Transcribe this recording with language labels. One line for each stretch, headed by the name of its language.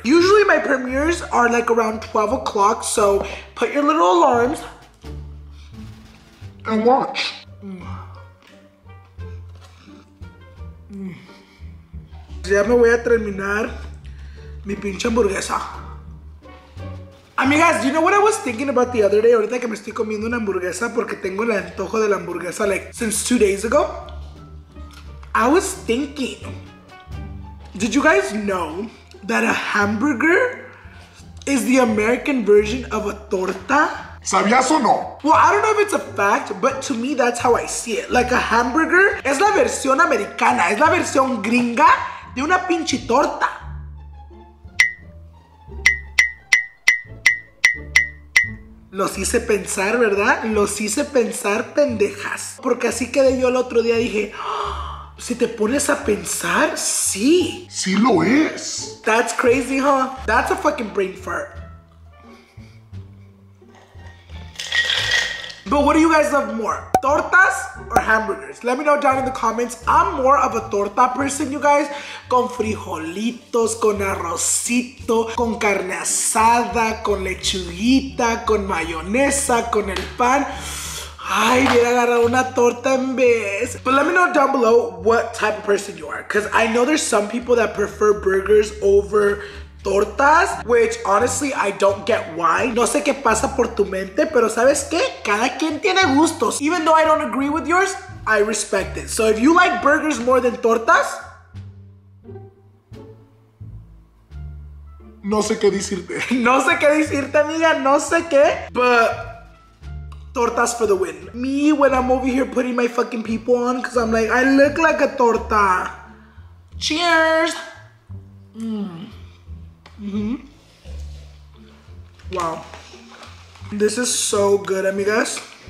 English: Usually my premieres are like around 12 o'clock, so put your little alarms and watch.
Spanish: Ya me voy a terminar mi pinche hamburguesa.
English: Amigas, you know what I was thinking about the other day?
Spanish: Ahorita que me estoy comiendo una hamburguesa porque tengo el antojo de la hamburguesa,
English: like, since 2 days ago. I was thinking, did you guys know that a hamburger is the American version of a torta?
Spanish: ¿Sabías o no?
English: Well, I don't know if it's a fact, but to me, that's how I see it. Like, a hamburger
Spanish: es la versión americana, es la versión gringa de una pinche torta. Los hice pensar, ¿verdad? Los hice pensar, pendejas. Porque así quedé yo el otro día, dije, si te pones a pensar, sí. Sí lo es.
English: That's crazy, huh? That's a fucking brain fart. But what do you guys love more, tortas or hamburgers? Let me know down in the comments. I'm more of a torta person, you guys.
Spanish: Con frijolitos, con arrocito, con carne asada, con lechuguita, con mayonesa, con el pan. Ay, voy a agarrar una torta en vez.
English: But let me know down below what type of person you are, because I know there's some people that prefer burgers over tortas, which honestly I don't get why.
Spanish: No sé qué pasa por tu mente, pero ¿sabes qué? Cada quien tiene gustos.
English: Even though I don't agree with yours, I respect it. So if you like burgers more than tortas,
Spanish: no sé qué decirte. No sé qué decirte, amiga, no sé qué.
English: But tortas for the win. Me, when I'm over here putting my fucking people on, because I'm like, I look like a torta. Cheers. Wow, this is so good, amigas.